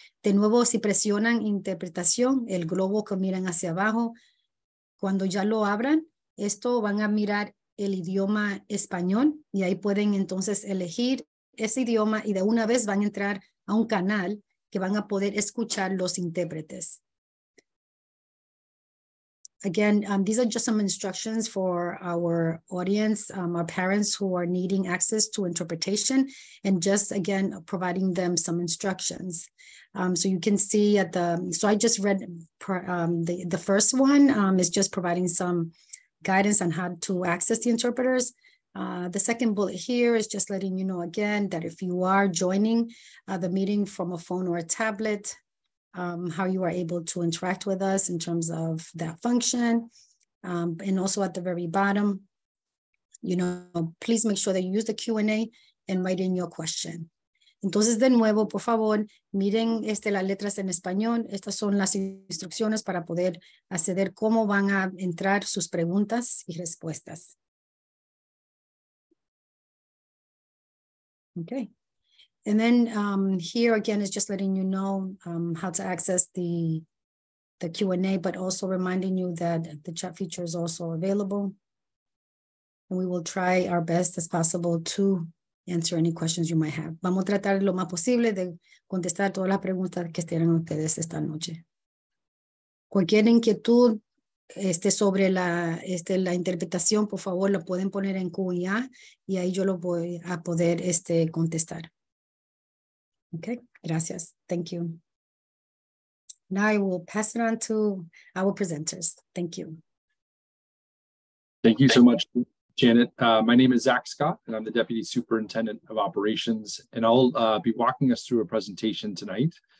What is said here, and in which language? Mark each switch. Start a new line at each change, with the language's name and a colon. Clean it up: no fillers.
Spanish: De nuevo, si presionan interpretación, el globo que miran hacia abajo, cuando ya lo abran, van a mirar el idioma español y ahí pueden entonces elegir ese idioma y de una vez van a entrar a un canal que van a poder escuchar los intérpretes.
English: Again, these are just some instructions for our audience, our parents who are needing access to interpretation, and just again providing them some instructions. So you can see at the, so I just read the first one is just providing some guidance on how to access the interpreters. The second bullet here is just letting you know again that if you are joining the meeting from a phone or a tablet, how you are able to interact with us in terms of that function. And also at the very bottom, please make sure that you use the Q&A and write in your question.
Spanish: Entonces, de nuevo, por favor, miren las letras en español. Estas son las instrucciones para poder acceder cómo van a entrar sus preguntas y respuestas.
English: Okay. And then here again is just letting you know how to access the Q&A, but also reminding you that the chat feature is also available. And we will try our best as possible to answer any questions you might have.
Spanish: Vamos a tratar lo más posible de contestar todas las preguntas que estén ustedes esta noche. Cualquier inquietud sobre la interpretación, por favor, lo pueden poner en Q&A y ahí yo lo voy a poder contestar.
English: Okay,
Spanish: gracias.
English: Thank you. Now I will pass it on to our presenters. Thank you. Thank you so much, Janet. My name is Zach Scott, and I'm the Deputy Superintendent of Operations, and I'll be walking us through a presentation tonight.